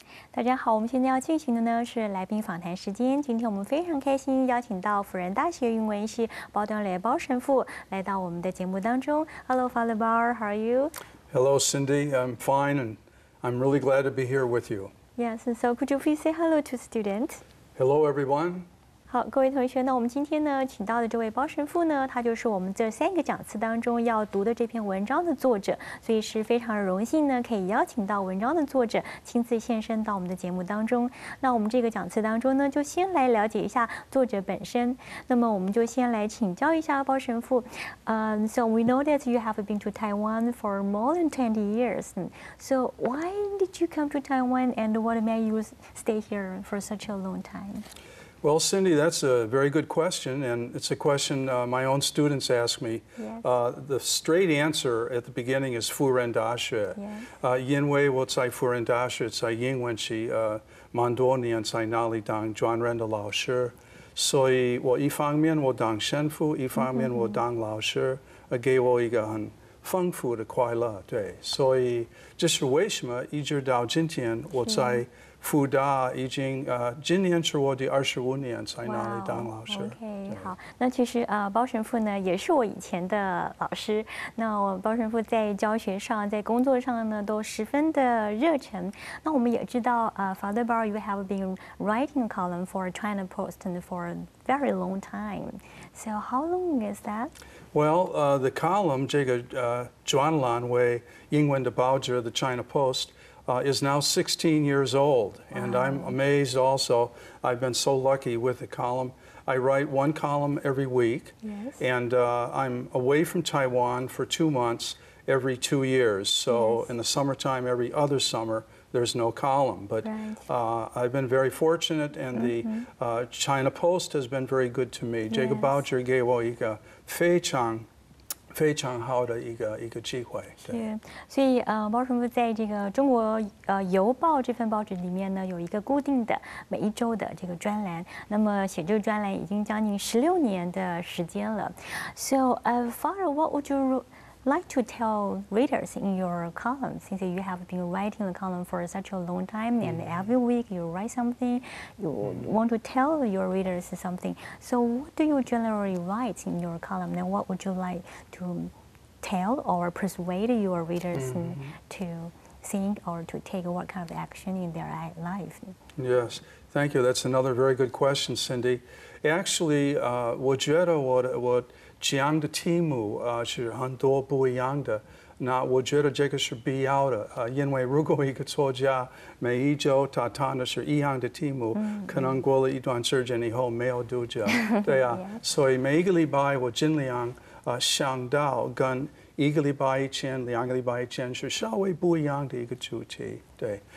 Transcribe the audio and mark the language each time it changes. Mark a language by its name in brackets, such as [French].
[Chinese] 大家好，我们现在要进行的呢是来宾访谈时间。今天我们非常开心邀请到辅仁大学英文系包德雷包神父来到我们的节目当中。 [English] Hello, Father Bar, how are you? Hello, Cindy. I'm fine, and I'm really glad to be here with you. Yes, and so could you please say hello to students? Hello, everyone. [Chinese] 好，各位同学，那我们今天呢请到的这位包神父呢，他就是我们这三个讲次当中要读的这篇文章的作者，所以是非常荣幸呢可以邀请到文章的作者亲自现身到我们的节目当中。那我们这个讲次当中呢，就先来了解一下作者本身。那么我们就先来请教一下包神父。 [English] So we know that you have been to Taiwan for more than 20 years. So why did you come to Taiwan and what made you stay here for such a long time? Well, Cindy, that's a very good question, and it's a question my own students ask me. Yes. The straight answer at the beginning is 辅仁大学. Yes. [Chinese] 因为我在辅仁大学在英文系蛮多年在那里当专任的老师，所以我一方面我当神父，一方面我当老师，给我一个很丰富的快乐。对，所以这是为什么一直到今天我在辅大已经今年是我第25年在那里当老师。 Wow, OK, 好，那其实包神父呢也是我以前的老师。那我包神父在教学上在工作上呢都十分的热忱。 [English] 那我们也知道 Father Bar, you have been writing a column for China Post for a very long time. So how long is that? Well, the column, 这个专栏为英文的报纸 The China Post,is now 16 years old, and I'm amazed also. I've been so lucky with the column. I write one column every week, yes. And I'm away from Taiwan for 2 months every 2 years. So yes. In the summertime, every other summer, there's no column. But right. I've been very fortunate, and the China Post has been very good to me. Yes. Jacob Boucher gave me a very good. 非常好的一个机会。 [Chinese] 是，所以包神父在这个中国邮报这份报纸里面呢，有一个固定的每一周的这个专栏。那么写这个专栏已经将近16年的时间了。 [English] So, Father, what would you like to tell readers in your column? Since you have been writing the column for such a long time, and every week you write something, you want to tell your readers something. So what do you generally write in your column? And what would you like to tell or persuade your readers to think or to take what kind of action in their life? Yes, thank you. That's another very good question, Cindy. [Chinese] Actually, 我觉得我讲的题目是很多不一样的，那我觉得这个是必要的，因为如果一个作家每一周他谈的是一样的题目，可能过了一段时间以后没有读者，对呀，所以每一个礼拜我尽量想到跟一个礼拜以前、两个礼拜以前是稍微不一样的一个主题，对。